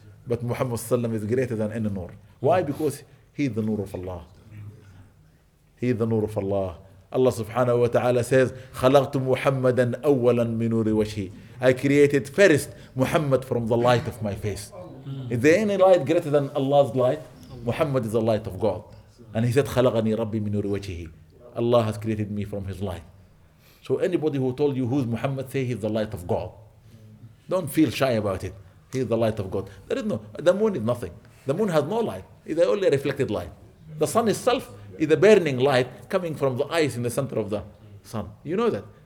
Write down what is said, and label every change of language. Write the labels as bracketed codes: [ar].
[en] But Muhammad sallam is greater than any نور. Why? Because he is the نور of Allah. He is the نور of Allah. Allah subhanahu wa ta'ala says, [ar] خلقت محمدا أولا من نور وجهي. [en] I created first Muhammad from the light of my face. Is there any light greater than Allah's light? Muhammad is the light of God. And he said, [ar] خلقني ربي من نور وجهي. [en] Allah has created me from his light. So anybody who told you who's Muhammad, say he's the light of God. Don't feel shy about it. He is the light of God. There is no, the moon is nothing. The moon has no light. It is only a reflected light. The sun itself is a burning light coming from the ice in the center of the sun. You know that.